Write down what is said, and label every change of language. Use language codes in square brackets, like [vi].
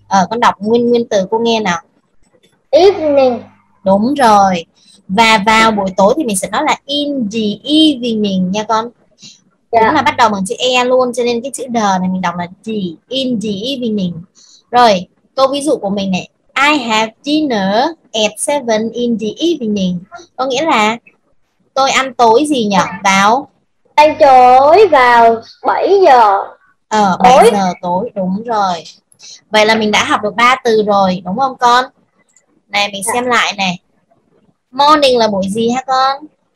[vi] Con đọc nguyên từ cô nghe nào. [en] Evening. [vi] Đúng rồi. Và vào buổi tối thì mình sẽ nói là [en] in the evening [vi] nha con. Yeah. Cũng là bắt đầu bằng chữ E luôn, cho nên cái chữ D này mình đọc là the, [en] in the evening. [vi] Rồi, câu ví dụ của mình này. [en] I have dinner at 7 in the evening. [vi] Có nghĩa là tôi ăn tối gì nhỉ? Vào? Ăn tối vào 7 giờ. 7 giờ tối, đúng rồi. Vậy là mình đã học được 3 từ rồi, đúng không con? Này, mình xem lại này. Morning là buổi gì hả con?